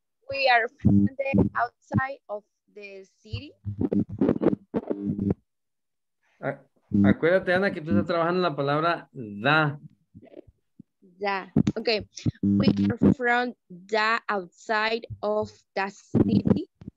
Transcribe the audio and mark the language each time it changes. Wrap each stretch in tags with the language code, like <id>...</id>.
<en>We are from the outside of the city.</en> <es>Acuérdate, Ana, que tú estás trabajando la palabra da. Da. Okay.</es> <en>We are from the outside of the city.</en>